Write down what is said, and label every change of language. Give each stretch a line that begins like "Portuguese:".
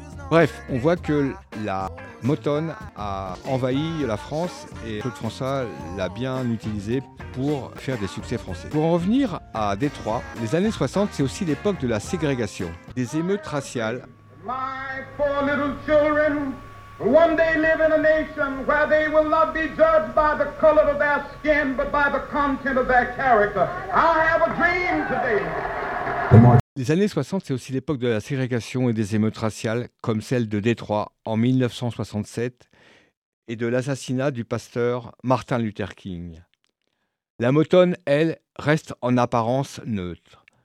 French: Bref, on voit que la Motone a envahi la France et Claude François l'a bien utilisé pour faire des succès français. Pour en revenir à Détroit, les années 60, c'est aussi l'époque de la ségrégation, des émeutes raciales.
English: My four little children will one day live in a nation where they will not be judged by the color of their skin but by the content of their character. I have a dream today.
French: Les années 60, c'est aussi l'époque de la ségrégation et des émeutes raciales, comme celle de Détroit en 1967 et de l'assassinat du pasteur Martin Luther King. La Motone, elle, reste en apparence neutre.